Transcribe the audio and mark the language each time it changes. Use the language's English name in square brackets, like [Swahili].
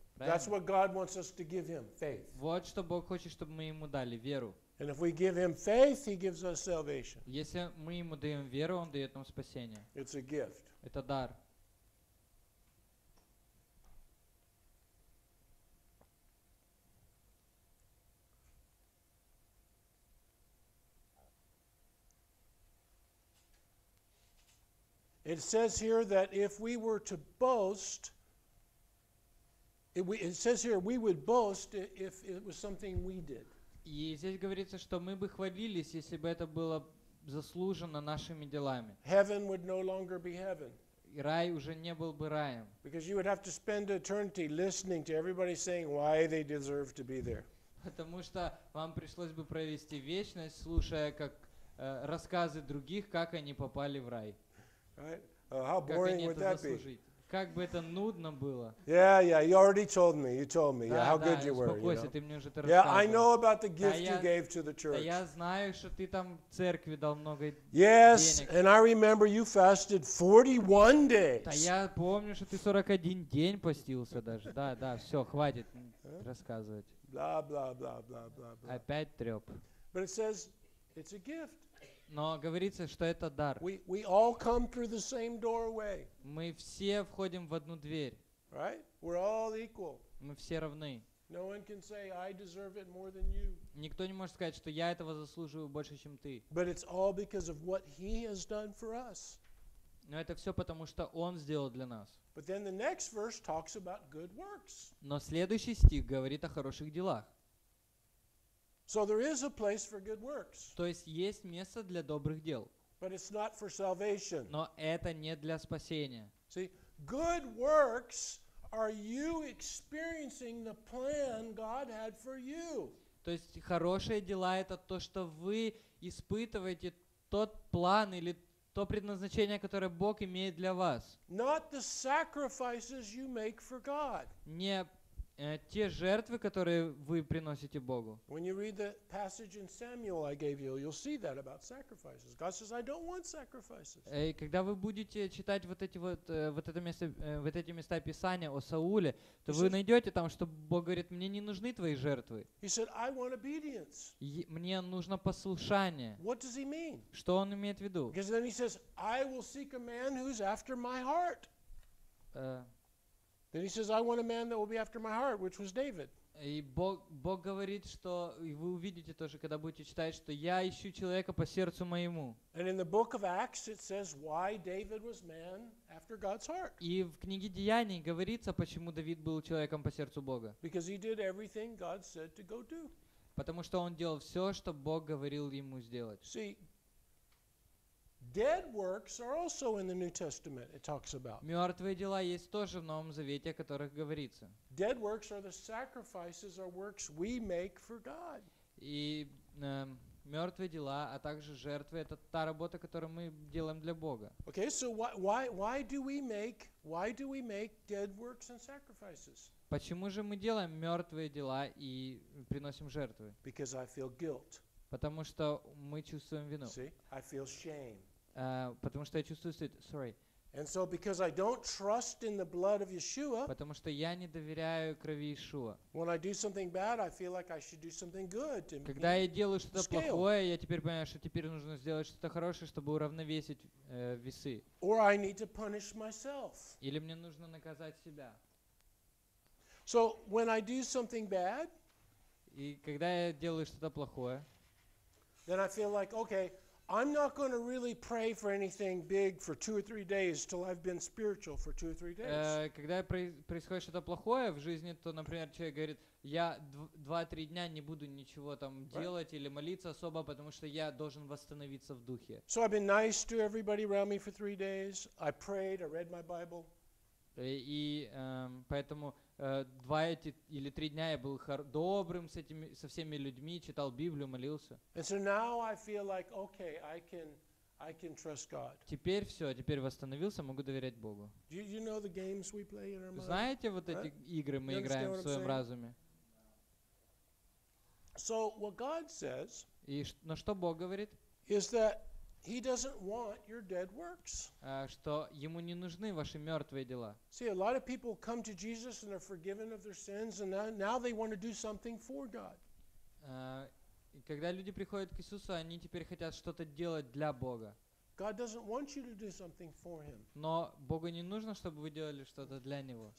[English] That's what God wants us to give him, faith. [Russian] Вот что Бог хочет, чтобы мы ему дали веру. [English] And if we give him faith, he gives us salvation. [Russian] Если мы ему даем веру, он дает нам спасение. [English] It's a gift. [Russian] Это дар. [English] It says here that if we were to boast, it says here we would boast if it was something we did. [Russian] И здесь говорится, что мы бы хвалились, если бы это было заслужено нашими делами. [English] Heaven would no longer be heaven. [Russian] Рай уже не был бы раем. [English] Because you would have to spend eternity listening to everybody saying why they deserve to be there. [Russian] Потому что вам пришлось бы провести вечность, слушая как рассказы других, как они попали в рай. [English] Right? How boring would that be? [Russian] Как бы это нудно было. [English] Yeah, yeah, you already told me. You told me. Yeah, how [Russian] да, [English] good you were. [Russian] Успокойся, [English] you know? [Russian] Ты мне уже это [English] yeah, [Russian] рассказывал. [English] I know about the gift you gave to the church. [Russian] Да, я знаю, что ты там церкви дал много [English] yes, [Russian] денег. [English] Yes, and I remember you fasted 41 days. [Russian] Да, я помню, что ты 41 день постился даже. Да, да, все, хватит рассказывать. Бла-бла-бла-бла-бла-бла. Опять треп. [English] But it says it's a gift. [Russian] Но говорится, что это дар. [English] We all come through the same doorway. [Russian] Мы все входим в одну дверь. [English] Right? We're all equal. [Russian] Мы все равны. [English] No one can say, I deserve it more than you. [Russian] Никто не может сказать, что я этого заслуживаю больше, чем ты. [English] But it's all because of what he has done for us. [Russian] Но это все потому, что он сделал для нас. [English] But then the next verse talks about good works. [Russian] Но следующий стих говорит о хороших делах. [English] So there is a place for good works. [Russian] То есть есть место для добрых дел. [English] But it's not for salvation. [Russian] Но это не для спасения. [English] See, good works are you experiencing the plan God had for you. [Russian] То есть хорошие дела — это то, что вы испытываете тот план или то предназначение, которое Бог имеет для вас. [English] Not the sacrifices you make for God. [Russian] Не те жертвы, которые вы приносите Богу. [English] When you read the passage in Samuel I gave you, you'll see that about sacrifices. God says, I don't want sacrifices. [Russian] Когда вы будете читать вот эти места Писания о Сауле, то вы найдете там, что Бог говорит, мне не нужны твои жертвы. [English] He said, I want obedience. [Russian] Мне нужно послушание. [English] What does he mean? [Russian] Что он имеет в виду? [English] Because then he says, I will seek a man who's after my heart. Then he says, I want a man that will be after my heart, which was David. [Russian] И Бог говорит, что вы увидите тоже, когда будете читать, что я ищу человека по сердцу моему. [English] And in the book of Acts it says why David was man after God's heart. [Russian] И в книге Деяний говорится, почему Давид был человеком по сердцу Бога. [English] Because he did everything God said to go do. [Russian] Потому что он делал все, что Бог говорил ему сделать. [English] See, dead works are also in the New Testament. It talks about. [Russian] Мертвые дела есть тоже в Новом Завете, о которых говорится. [English] Dead works are the sacrifices or works we make for God. [Russian] И мертвые дела, а также жертвы — это та работа, которую мы делаем для Бога. [English] Okay, so why do we make dead works and sacrifices? [Russian] Почему же мы делаем мертвые дела и приносим жертвы? [English] Because I feel guilt. [Russian] Потому что мы чувствуем вину. [English] See, I feel shame. [Russian] Потому что я чувствую стыд. [English] Sorry. And so because I don't trust in the blood of Yeshua, [Russian] потому что я не доверяю крови Иешуа. [English] When I do something bad, I feel like I should do something good to. [Russian] Когда я делаю что-то плохое, я теперь понимаю, что теперь нужно сделать что-то хорошее, чтобы уравновесить весы. [English] Or I need to punish myself. [Russian] Или мне нужно наказать себя. [English] So when I do something bad, [Russian] и когда я делаю что-то плохое, [English] then I feel like, okay, I'm not going to really pray for anything big for two or three days till I've been spiritual for two or three days. [Russian] Когда происходит что-то плохое в жизни, то, например, человек говорит, я 2-3 дня не буду ничего там делать или молиться особо, потому что я должен восстановиться в духе. [English] So I've been nice to everybody around me for 3 days. I prayed, I read my Bible. [Russian] И поэтому 2 эти или 3 дня я был добрым с этими, со всеми людьми, читал Библию, молился. [English] And so now I feel like, okay, I can trust God. [Russian] Теперь все, теперь восстановился, могу доверять Богу. [English] You know the games we play in our mind? [Russian] Знаете вот эти игры мы играем в своем разуме? [English] So what God says, [Russian] но что Бог говорит? [English] Is that He doesn't want your dead works. [Russian] Что ему не нужны ваши мертвые дела. [English] See, a lot of people come to Jesus and are forgiven of their sins, and now they want to do something for God. [Russian] Когда люди приходят к Иисусу, они теперь хотят что-то делать для Бога. [English] God doesn't want you to do something for Him. [Russian] Но Богу не нужно, чтобы вы делали что-то для Него.